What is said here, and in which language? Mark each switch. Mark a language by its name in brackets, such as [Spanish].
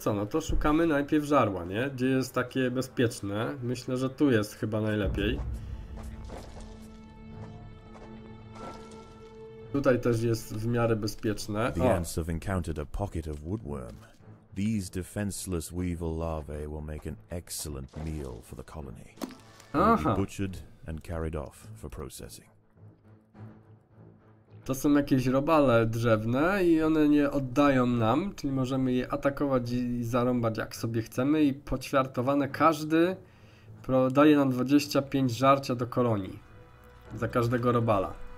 [Polish] To szukamy najpierw żarła, nie? Gdzie jest takie bezpieczne. Myślę, że tu jest chyba najlepiej. Tutaj też jest w miarę bezpieczne. [English] The ants have encountered a pocket of woodworm. These defenseless weevil larvae will make an excellent meal for the colony. Butchered and carried off for processing. [Polish] To są jakieś robale drzewne i one nie oddają nam, czyli możemy je atakować i zarąbać jak sobie chcemy i poćwiartowane każdy daje nam 25 żarcia do kolonii za każdego robala.